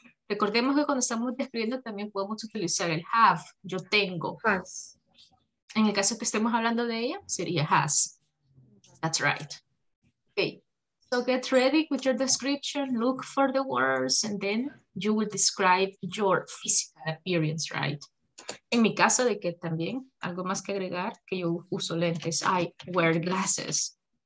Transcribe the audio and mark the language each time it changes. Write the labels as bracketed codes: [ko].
[es] Recordemos que cuando estamos describiendo también podemos utilizar el have, yo tengo. [en] Has. [es] En el caso que estemos hablando de ella, sería has. [en] That's right. Okay, so get ready with your description, look for the words, and then you will describe your physical appearance, right? [es] En mi caso de que también, algo más que agregar, que yo uso lentes, [en] I wear glasses.